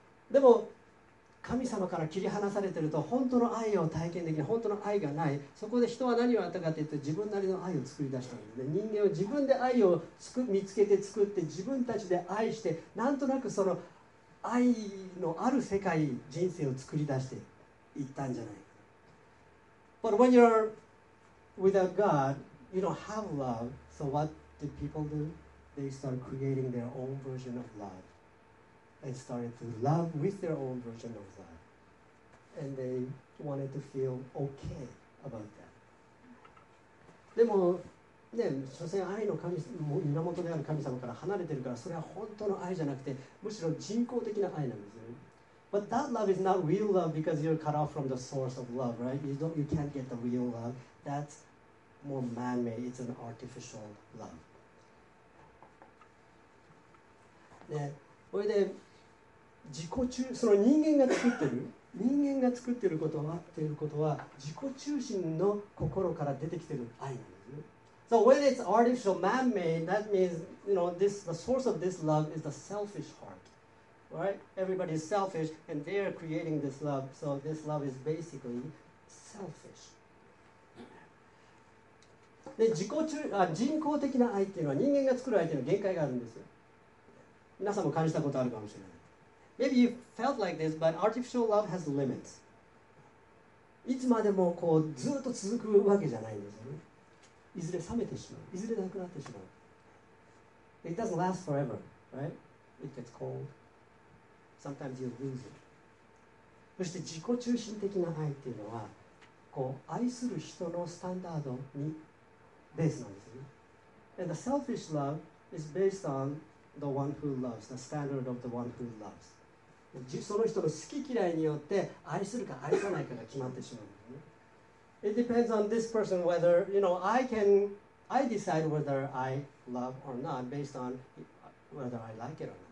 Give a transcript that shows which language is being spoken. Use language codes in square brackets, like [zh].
[ja] でも神様から切り離されてると本当の愛を体験できない、本当の愛がない。そこで人は何をやったかというと自分なりの愛を作り出したんですね。人間は自分で愛を見つけて作って自分たちで愛して、なんとなくその愛のある世界、人生を作り出していったんじゃないか。 [en] But when you're without God, you don't have love. So what do people do? They start creating their own version of love. And started to love with their own version of love. And they wanted to feel okay about that. [ja] でもね、所詮愛の神、源である神様から離れてるから、それは本当の愛じゃなくて、むしろ人工的な愛なんですよ。 [en] But that love is not real love because you're cut off from the source of love, right? You can't get the real love. That's more man-made. It's an artificial love. [ja] ね、これで自己中、その人間が作ってる人間が作ってることはっていうことは自己中心の心から出てきてる愛なんですね。 [en] So when it's artificial, man-made, that means, you know, this, the source of this love is the selfish heart, right? Everybody is selfish and they are creating this love, so this love is basically selfish. [ja] で、人工的な愛っていうのは人間が作る愛っていうのは限界があるんですよ。皆さんも感じたことあるかもしれない。 [en] Maybe you felt like this, but artificial love has limits. [ja] いつまでもこうずっと続くわけじゃないんですよね。いずれ冷めてしまう。いずれなくなってしまう。 [en] It doesn't last forever, right? It gets cold. Sometimes you lose it. [ja] そして自己中心的な愛っていうのは、こう愛する人のスタンダードにベースなんですよね。 [en] And the selfish love is based on the one who loves, the standard of the one who loves. [ja] その人の好き嫌いによって愛するか愛さないかが決まってしまう、ね。 [en] It depends on this person whether, you know, I decide whether I love or not based on whether I like it or not.、Right?